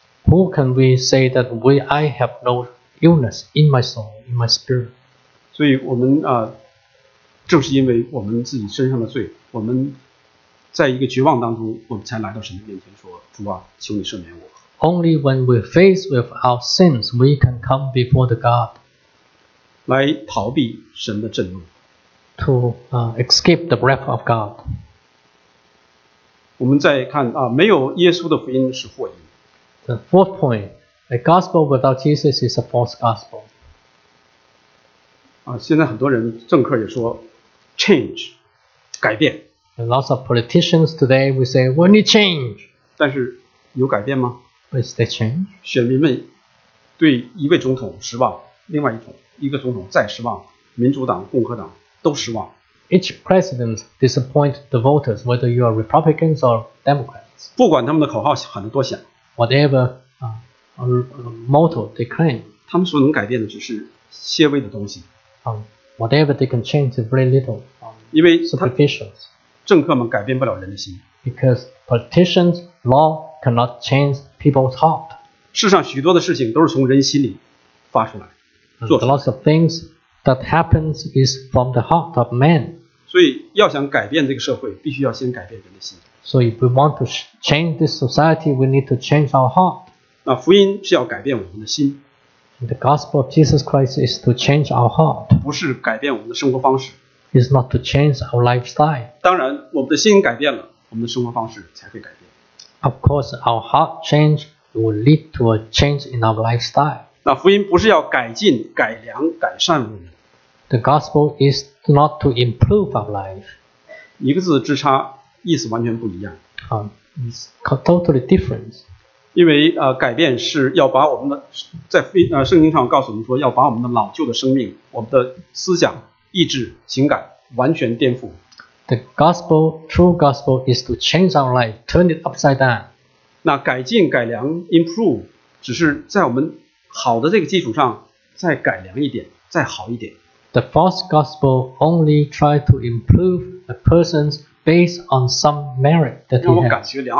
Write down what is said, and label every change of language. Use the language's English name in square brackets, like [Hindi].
[English] Who can we say that I have no illness in my soul, in my spirit? [Chinese] 所以我们正是因为我们自己身上的罪，我们在一个绝望当中，我们才来到神的面前说，主啊，求你赦免我。 [English] Only when we face with our sins, we can come before the God. [Chinese] 来逃避神的震怒。 [English] To escape the wrath of God. [Chinese] 我们再看没有耶稣的福音是祸因。 [English] The fourth point, the gospel without Jesus is a false gospel. [Chinese] 现在很多人政客也说 change, 改变。 [English] And lots of politicians today will say, we need change. [Chinese] 但是有改变吗？ [English] Is there change? [Chinese] 选民们对一位总统失望，另外一个总统再失望，民主党、共和党都失望。 [English] Each president disappoints the voters, whether you are Republicans or Democrats. [Chinese] 不管他们的口号喊得多响。 [English] Whatever motto they claim. [Chinese] 他们所能改变的只是些微的东西。 [English] Whatever they can change is very little. Superficial. [Chinese] 因为政客们改变不了人的心。 [English] Because politicians' law cannot change people's heart. [Chinese] 世上许多的事情都是从人心里发出来。 [English] Lots of things that happens is from the heart of man. [Chinese] 所以要想改变这个社会，必须要先改变人的心。 [English] So if we want to change this society, we need to change our heart. [Chinese] 那福音是要改变我们的心。 [English] The gospel of Jesus Christ is to change our heart. [Chinese] 不是改变我们的生活方式。 [English] Is not to change our lifestyle. [Chinese] 当然，我们的心改变了，我们的生活方式才会改变。 [English] Of course, our heart change will lead to a change in our lifestyle. [Chinese] 那福音不是要改进、改良、改善我们。 [English] The gospel is not to improve our life. [Chinese] 一个字之差，意思完全不一样。 [English] It's totally different. [Chinese] 因为改变是要把我们的在圣经上告诉我们说，要把我们的老旧的生命、我们的思想、意志、情感完全颠覆。 [English] The gospel, true gospel, is to change our life, turn it upside down. [Chinese] 那改进、改良、improve, 只是在我们好的这个基础上再改良一点，再好一点。 [English] The false gospel only tries to improve a person based on some merit that he has.